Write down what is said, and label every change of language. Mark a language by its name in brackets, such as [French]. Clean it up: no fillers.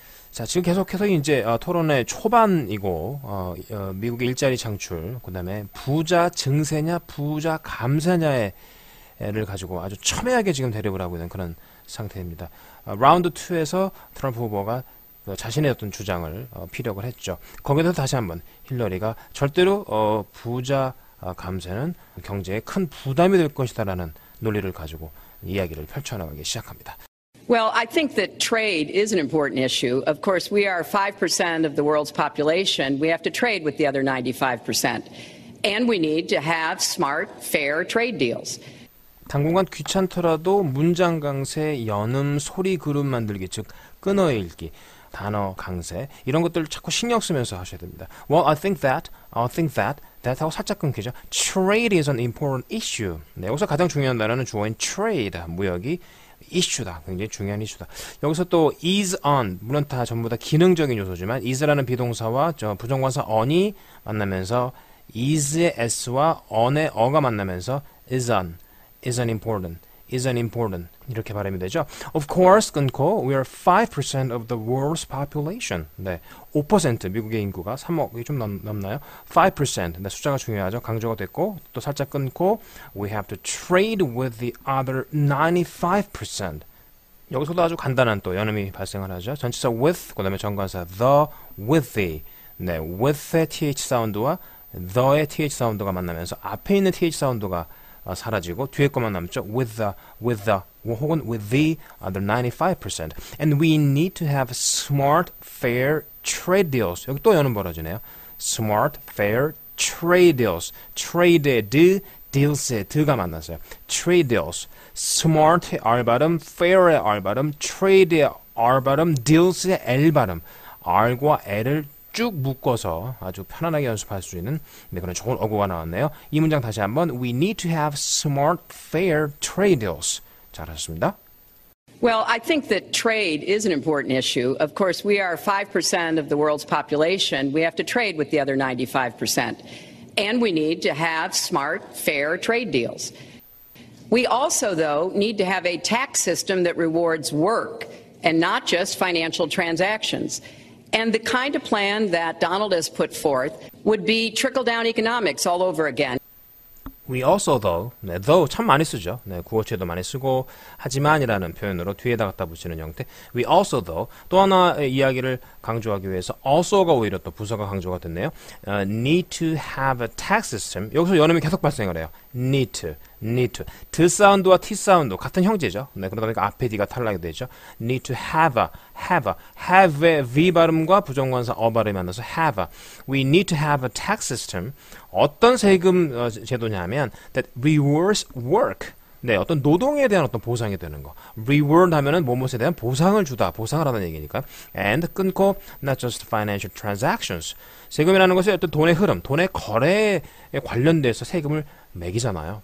[Korean] 자, 지금 계속해서 이제 토론의 초반이고, 미국의 일자리 창출, 그다음에 부자 증세냐, 부자 감세냐를 가지고 아주 첨예하게 지금 대립을 하고 있는 그런 상태입니다. 라운드 2에서 트럼프 후보가 자신의 어떤 주장을 피력을 했죠. 거기에서 다시 한번 힐러리가 절대로 부자 감세는 경제에 큰 부담이 될 것이다라는 논리를 가지고 이야기를 펼쳐나가기 시작합니다. [English] Well, I think that trade is an important issue. Of course, we are 5% of the world's population. We have to trade with the other 95%. And we need to have smart, fair trade deals. [Korean] 당분간 귀찮더라도 문장 강세, 연음, 소리 그룹 만들기, 즉 끊어읽기, 단어 강세 이런 것들을 자꾸 신경 쓰면서 하셔야 됩니다. [English] Well, I think that [Korean] 하고 살짝 끊기죠. [English] Trade is an important issue. [Korean] 네, 여기서 가장 중요한 단어는 주어인 trade, 무역이 이슈다. 굉장히 중요한 이슈다. 여기서 또 [English] is on, [Korean] 물론 다 전부 다 기능적인 요소지만 is라는 비동사와 저 부정관사 on이 만나면서 is의 s와 on의 어가 만나면서 [English] is on, is an important. Is an important [Korean] 이렇게 발음이 되죠. [English] Of course, [Korean] 끊고 [English] we are 5% of the world's population. [Korean] 네, 5% 미국의 인구가 3억이 좀 넘나요? 5%. 네, 숫자가 중요하죠. 강조가 됐고 또 살짝 끊고 [English] we have to trade with the other 95%. [Korean] 여기서도 아주 간단한 또 연음이 발생을 하죠. 전치사 with 그다음에 전관사 the [English] with the. [Korean] 네, with의 th 사운드와 the의 th 사운드가 만나면서 앞에 있는 th 사운드가 사라지고 뒤에 것만 남죠. [English] With the [Korean] 혹은 [English] with the other 95%. And we need to have smart, fair trade deals. [Korean] 여기 또 연음 벌어지네요. [English] Smart, fair trade deals. [Korean] Trade의 the, deals의 the가 만났어요. [English] Trade deals. [Korean] Smart의 r 발음, fair의 r 발음, trade의 r 발음, deals의 l 발음. R과 L을 쭉 묶어서 아주 편안하게 연습할 수 있는 네, 그런 좋은 어구가 나왔네요. 이 문장 다시 한번. [English] We need to have smart, fair trade deals. 잘하셨습니다. Well, I think that trade is an important issue. Of course, we are 5% of the world's population. We have to trade with the other 95%. And we need to have smart, fair trade deals. We also, though, need to have a tax system that rewards work and not just financial transactions. And the kind of plan that Donald has put forth would be trickle-down economics all over again. We also though, [Korean] 네, though 참 많이 쓰죠. 네, 구어체도 많이 쓰고 하지만이라는 표현으로 뒤에다가 갖다 붙이는 형태. [English] We also though [Korean] 또 하나의 이야기를 강조하기 위해서 also가 오히려 또 부사가 강조가 됐네요. [English] Need to have a tax system. [Korean] 여기서 연음이 계속 발생을 해요. [English] Need to. [Korean] D 사운드와 T 사운드 같은 형제죠. 네, 그러다 보니까 앞에 D가 탈락이 되죠. [English] Need to have a. [Korean] Have의 V 발음과 부정관사 어 발음이 만나서 [English] have a. We need to have a tax system. [Korean] 어떤 세금 제도냐면 [English] that rewards work. [Korean] 네, 어떤 노동에 대한 어떤 보상이 되는 거. Reward 하면은 뭐뭐에 대한 보상을 주다, 보상을 하다는 얘기니까. [English] And [Korean] 끊고 [English] not just financial transactions. [Korean] 세금이라는 것은 어떤 돈의 흐름, 돈의 거래에 관련돼서 세금을 매기잖아요.